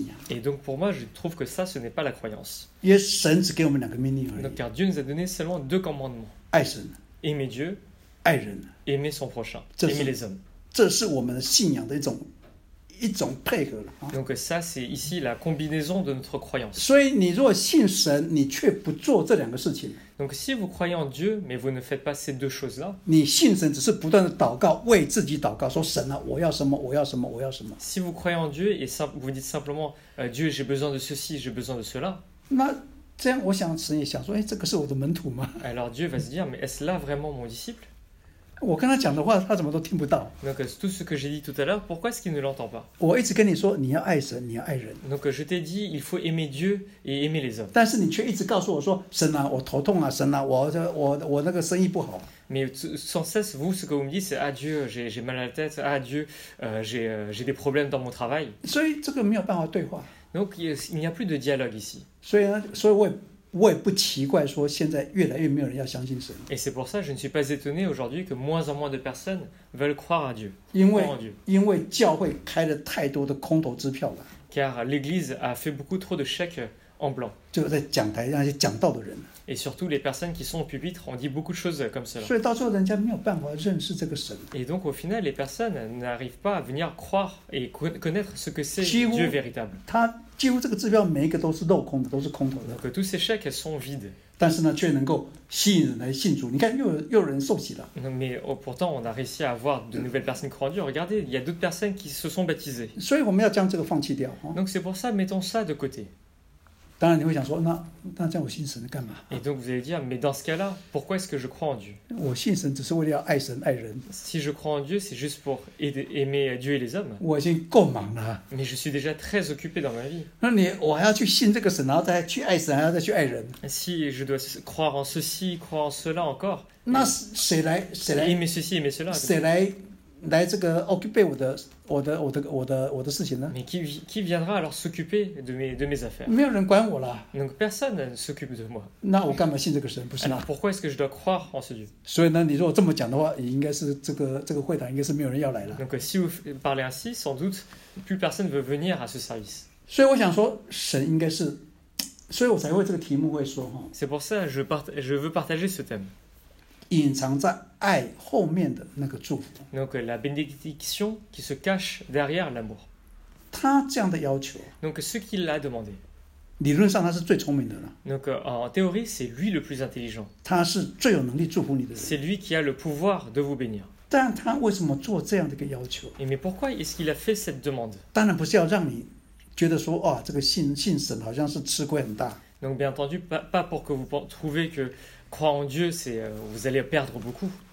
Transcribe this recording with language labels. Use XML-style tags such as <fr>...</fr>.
<fr>Et donc pour moi, je trouve que ça, ce n'est pas la croyance. Car Dieu nous a donné seulement deux commandements. Aimer Dieu, aimer son prochain, aimer les hommes.</fr> <zh>这是我们信仰的一种配合了。</zh> <fr>Donc ça c'est ici la combinaison de notre croyance.</fr> <zh>所以你若信神，你却不做这两个事情。</zh> <fr>Donc si vous croyez en Dieu, mais vous ne faites pas ces deux choses-là.</fr> <zh>你信神只是不断的祷告，为自己祷告，说神啊，我要什么，我要什么，我要什么。</zh> <fr>Si vous croyez en Dieu et vous dites simplement, Dieu, j'ai besoin de ceci, j'ai besoin de cela.</fr> <zh>那这样，我想神也想说，哎，这个是我的门徒吗</zh> <fr>？Alors Dieu va se dire, mais est-ce là vraiment mon disciple？</fr> <zh>我跟他讲的话，他怎么都听不到。</zh> <fr>Donc tout ce que j'ai dit tout à l'heure, pourquoi est-ce qu'il ne l'entend pas?</fr> <zh>我一直跟你说，你要爱神，你要爱人。</zh> <fr>Donc je t'ai dit, il faut aimer Dieu et aimer les hommes.</fr> <zh>但是你却一直告诉我说，神啊，我头痛啊，神啊，我那个生意不好。</zh> <fr>Mais sans cesse, vous, ce que vous me dites, c'est ah Dieu, j'ai mal à la tête, ah Dieu, j'ai des problèmes dans mon travail.</fr> <zh>所以这个没有办法对话。</zh> <fr>Donc il n'y a plus de dialogue ici.</fr> <zh>所以我也不奇怪说现在越来越没有人要相信神。</zh> <fr>Et c'est pour ça, je ne suis pas étonné aujourd'hui que moins en moins de personnes veulent croire à Dieu.</fr> <zh>因为教会开了太多的空头支票了。</zh> <fr>Car l'église a fait beaucoup trop de chèques en blanc.</fr> <zh>就在讲台那些讲道的人。</zh> <fr>Et surtout les personnes qui sont au pupitre ont dit beaucoup de choses comme cela.</fr> <zh>所以到最后人家没有办法认识这个神。</zh> <fr>Et donc au final, les personnes n'arrivent pas à venir croire et connaître ce que c'est Dieu véritable.</fr> <zh>几乎这个支票每一个都是镂空的，都是空头的。</zh> <fr>Que tous ces chèques sont vides.</fr> <zh>但是呢，却能够吸引人来信主。你看，又有人受洗了。</zh> <fr>Mais pourtant, on a réussi à avoir de nouvelles personnes croire en Dieu. Regardez, il y a d'autres personnes qui se sont baptisées.</fr> <zh>所以我们要将这个放弃掉。</zh> <fr>Donc c'est pour ça, mettons ça de côté.</fr> <zh>当然你会想说，那这样我信神干嘛？</zh> <fr>Et donc vous allez dire, mais dans ce cas-là, pourquoi est-ce que je crois en Dieu?</fr> <zh>我信神只是为了爱神爱人。</zh> <fr>Si je crois en Dieu, c'est juste pour aimer Dieu et les hommes.</fr> <zh>我已经够忙了。</zh> <fr>Mais je suis déjà très occupé dans ma vie.</fr> <zh>那你我还要去信这个神，然后再去爱神，还要再去爱人。</zh> <fr>Si je dois croire en ceci, croire en cela encore.</fr> <zh>那谁来</zh> <fr>aimer ceci, aimer cela?</fr> <zh>谁来这个 occuper 我的事情呢？</zh> <fr>Mais qui viendra alors s'occuper de mes affaires?</fr> <zh>没有人管我了。</zh> <fr>Donc personne s'occupe de moi.</fr> <zh>那我干嘛信这个神？不是吗？</zh> <fr>Pourquoi est-ce que je dois croire en ce Dieu?</fr> <zh>所以呢，你如果这么讲的话，应该是这个会堂应该是没有人要来了。</zh> <fr>Donc si vous parlez ainsi, sans doute plus personne veut venir à ce service.</fr> <zh>所以我想说，神应该是，所以我才会这个题目会说哈。</zh> <fr>C'est pour ça je veux partager ce thème.</fr> <zh>隐藏在爱后面的那个祝福。</zh> <fr>Donc la bénédiction qui se cache derrière l'amour.</fr> <zh>他这样的要求。</zh> <fr>Donc ce qu'il a demandé.</fr> <zh>理论上他是最聪明的了。</zh> <fr>Donc en théorie c'est lui le plus intelligent.</fr> <zh>他是最有能力祝福你的人。</zh> <fr>C'est lui qui a le pouvoir de vous bénir.</fr> <zh>但他为什么做这样的一个要求？</zh> <fr>Et mais pourquoi est-ce qu'il a fait cette demande?</fr> <zh>当然不是要让你觉得说哦，这个信神好像是吃亏很大。</zh> <fr>Donc bien entendu pas pour que vous trouviez que croire en Dieu, c'est vous allez perdre beaucoup.</fr>